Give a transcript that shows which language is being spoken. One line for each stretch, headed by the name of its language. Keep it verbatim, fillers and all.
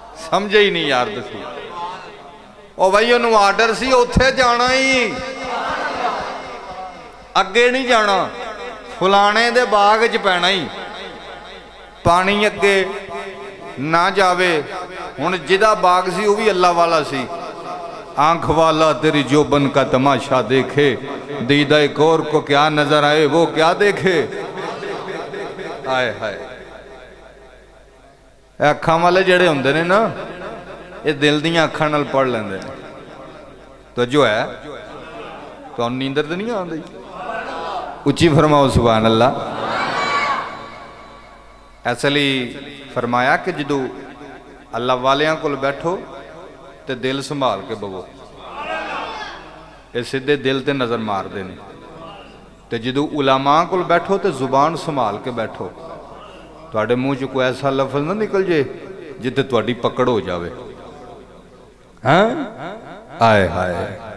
Punjabi: ਸਮਝੇ ਹੀ ਨਹੀਂ ਯਾਰ ਤੁਸੀਂ। ਉਹ ਬਈ ਉਹਨੂੰ ਆਰਡਰ ਸੀ ਉੱਥੇ ਜਾਣਾ ਹੀ, ਅੱਗੇ ਨਹੀਂ ਜਾਣਾ, ਫੁਲਾਣੇ ਦੇ ਬਾਗ 'ਚ ਪੈਣਾ ਹੀ, ਪਾਣੀ ਅੱਗੇ ਨਾ ਜਾਵੇ। ਹੁਣ ਜਿਹਦਾ ਬਾਗ ਸੀ ਉਹ ਵੀ ਅੱਲਾ ਵਾਲਾ ਸੀ।
Urdu: آنکھ والا تیری جوبن کا تماشا دیکھے, دیدہ کور کو کیا نظر آئے وہ کیا دیکھے।
Punjabi: آئے ہائے یہ اکھاں والے جڑے ہوندے نے نا, یہ دل دیاں اکھاں نال پڑھ لیندے نے। تو جو ہے تو نیندر تے نہیں آندی, اچھی فرماؤ سبحان اللہ। ایسے لی فرمایا کہ جدو اللہ والیاں کول بیٹھو ਤੇ ਦਿਲ ਸੰਭਾਲ ਕੇ ਬਵੋ। ਇਹ ਸਿੱਧੇ ਦਿਲ ਤੇ ਨਜ਼ਰ ਮਾਰਦੇ ਨੇ। ਤੇ ਜਦੋਂ ਉਲਾਮਾ ਕੋਲ ਬੈਠੋ ਤੇ ਜ਼ੁਬਾਨ ਸੰਭਾਲ ਕੇ ਬੈਠੋ, ਤੁਹਾਡੇ ਮੂੰਹ 'ਚ ਕੋਈ ਐਸਾ ਲਫ਼ਜ਼ ਨਾ ਨਿਕਲ ਜੇ ਜਿੱਤੇ ਤੁਹਾਡੀ ਪਕੜ ਹੋ ਜਾਵੇ। ਹਾਂ ਆਏ ਹਾਏ।